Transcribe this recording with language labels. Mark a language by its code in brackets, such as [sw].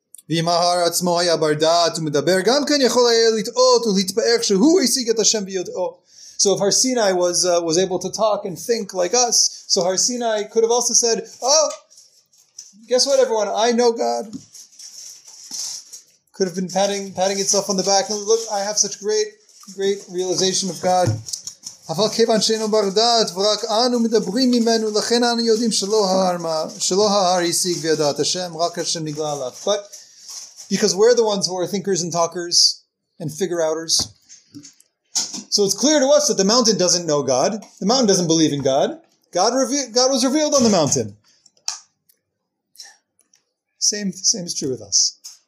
[he] ואם ההר עצמו היה בר דעת ומדבר, גם כן יכול היה לטעות ולהתפאר שהוא השיג את השם ביותו. [en] So if Harsinai was able to talk and think like us, so Harsinai could have also said, oh, guess what, everyone, I know God. Could have been patting itself on the back. And look, I have such great realization of God. [he] אבל כיוון שאינו בר דעת, ורק אנו מדברים ממנו, לכן אנו יודעים שלא ההר השיג וידעת השם, רק השם נגלה לך. [en] But because we're the ones who are thinkers and talkers and figure-outers. So it's clear to us that the mountain doesn't know God. The mountain doesn't believe in God. God was revealed on the mountain. Same is true with us.